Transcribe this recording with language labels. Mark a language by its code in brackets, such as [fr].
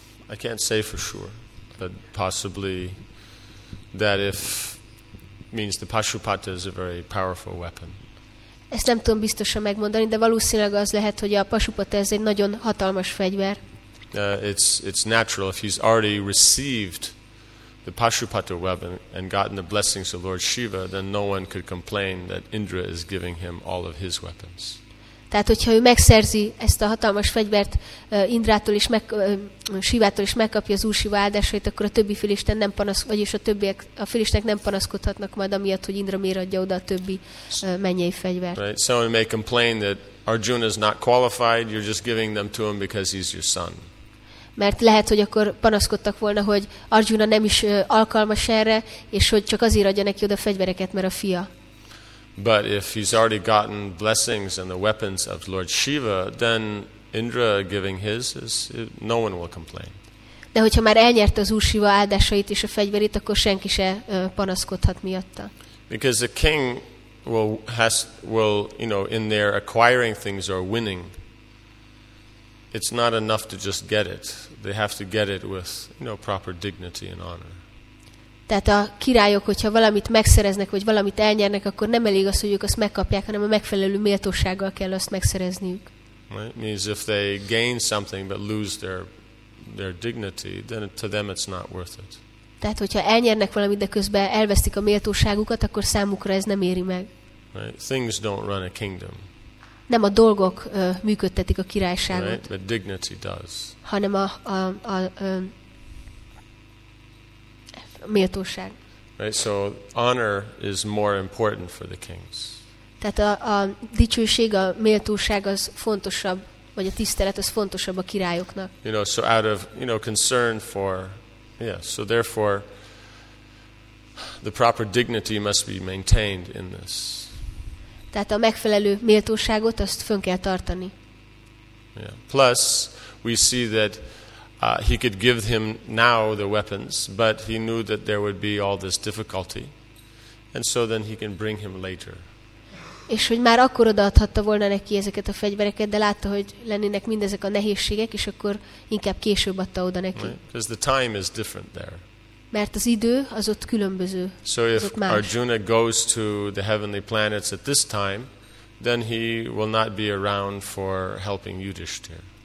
[en] I can't say for sure, but possibly that if means the Pashupata is a very powerful weapon. [hu] Ezt nem tudom biztosan megmondani, de valószínűleg az lehet, hogy a Pashupata ez egy nagyon hatalmas fegyver. [en] It's natural if he's already received the Pashupata weapon and gotten the blessings of Lord Shiva, then no one could complain that Indra is giving him all of his weapons. [hu] Tehát, hogyha ő megszerzi ezt a hatalmas fegyvert Indrától is, Sivától is megkapja az Úr Siva áldásait, akkor a többi filisten nem panaszkodhat, vagyis a többiek, a filistenek nem panaszkodhatnak majd amiatt, hogy Indra miért adja oda a többi mennyei fegyvert. [en] Right. Someone may complain that Arjuna is not qualified, you're just giving them to him because he's your son. [hu] Mert lehet, hogy akkor panaszkodtak volna, hogy Arjuna nem is alkalmas erre, és hogy csak azért adja neki oda fegyvereket, mert a fia. [en] But if he's already gotten blessings and the weapons of Lord Shiva, then Indra giving his is no one will complain. [hu] De hogyha már elnyerte az Úr Shiva áldásait és a fegyverét, akkor senki se panaszkodhat miatta. [en] Because the king will you know, in their acquiring things or winning, it's not enough to just get it. They have to get it with, you know, proper dignity and honor. [hu] Tehát a királyok, hogyha valamit megszereznek, vagy valamit elnyernek, akkor nem elég az, hogy ők azt megkapják, hanem a megfelelő méltósággal kell azt megszerezniük. [en] Right? Means if they gain something but lose their dignity, then to them it's not worth it. [hu] Tehát, hogyha elnyernek valamit, de közben elvesztik a méltóságukat, akkor számukra ez nem éri meg. [en] Right? Things don't run a kingdom. [hu] Nem a dolgok működtetik a királyságot. [en] Right? But dignity does. [hu] Hanem a méltóság. [en] Right? So honor is more important for the kings. [hu] Tehát a dicsőség, a méltóság az fontosabb, vagy a tisztelet az fontosabb a királyoknak. [en] You know, so out of, you know, concern for, yeah, so therefore the proper dignity must be maintained in this. [hu] Tehát a megfelelő méltóságot azt fön kell tartani. [en] Yeah. Plus we see that he could give him now the weapons, but he knew that there would be all this difficulty. And so then he can bring him later. [hu] És hogy már akkor odaadhatta volna neki ezeket a fegyvereket, de látta, hogy lennének mindezek a nehézségek, és akkor inkább később adta oda neki. [en] Because the time is different there. [hu] Mert az idő az ott különböző. [en] So if Arjuna goes to the heavenly planets at this time, then he will not be around for helping Yudhishthira.